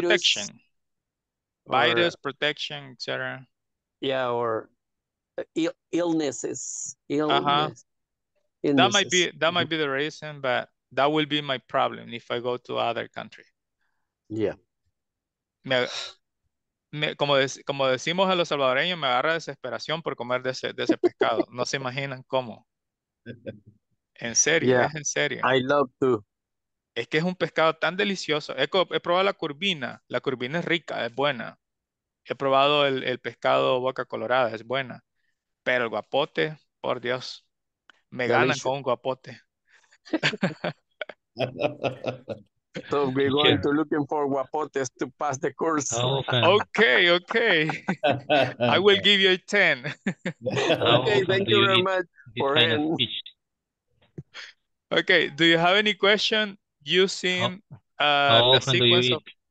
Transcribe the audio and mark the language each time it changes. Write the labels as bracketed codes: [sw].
[en] Protection. virus protection, etc. Yeah, or illnesses. Uh-huh. That might be the reason, but that will be my problem if I go to other country. Yeah. [es] Como decimos a los salvadoreños, me agarra desesperación por comer de ese pescado. No se imaginan cómo. En serio, yeah. Es en serio. [en] I love to. [es] Es que es un pescado tan delicioso. He probado la curvina. La curvina es rica, es buena. He probado el pescado boca colorada, es buena. Pero el guapote, por Dios, me ganan con un guapote. [en] So we're going to looking for guapotes to pass the course. Okay. I will give you a 10. Okay, thank you very much for him. Okay, do you have any question using the sequence of...